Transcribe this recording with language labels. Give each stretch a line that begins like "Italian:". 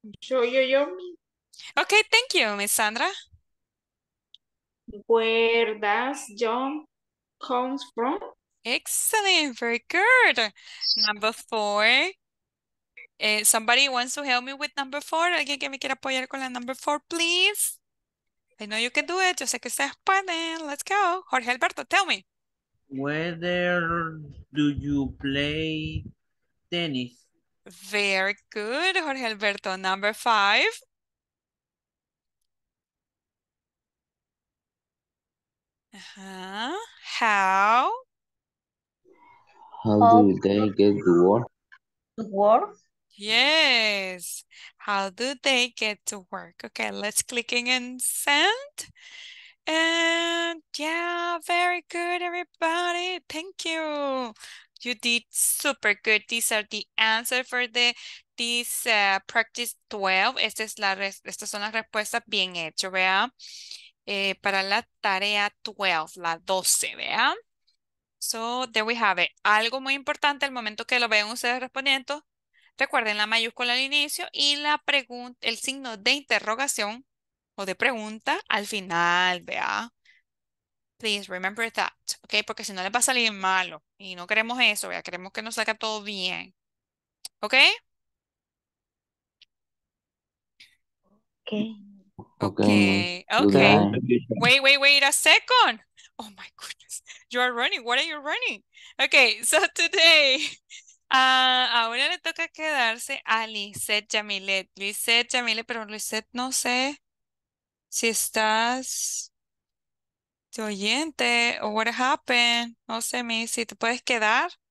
Spanish: Yo.
English: Okay, thank you, Miss Sandra. Where does John comes from? Excellent, very good. Number four. Somebody wants to help me with number four.
Spanish: Alguien que me quiera apoyar con la
English: number four, please. I know you can do it.
Spanish: Yo sé que ustedes pueden.
English: Let's go. Jorge Alberto, tell me. Where do you play tennis? Very good, Jorge Alberto. Number five. How do they get to work? Yes, how do they get to work? Okay, let's click in and send. And yeah, very good, everybody. Thank you. You did super good. These are the answer for the this practice 12.
Spanish: Esta es la estas son las respuestas bien hechas, vea. Para la tarea 12, la 12, vea.
English: So there we have it.
Spanish: Algo muy importante al momento que lo vean ustedes respondiendo. Recuerden la mayúscula al inicio y la pregunta, el signo de interrogación o de pregunta al final, vea.
English: Please remember that,
Spanish: ok, porque si no les va a salir malo y no queremos eso, vea, queremos que nos salga todo bien, ok.
English: Okay. Wait a second. Oh my goodness, you are running, what are you running?
Spanish: Ok,
English: so today,
Spanish: ahora le toca quedarse a Lisette Yamile, pero Lisette no sé si estás... oyente, o
English: what happened,
Spanish: no sé, Miss, si te puedes quedar.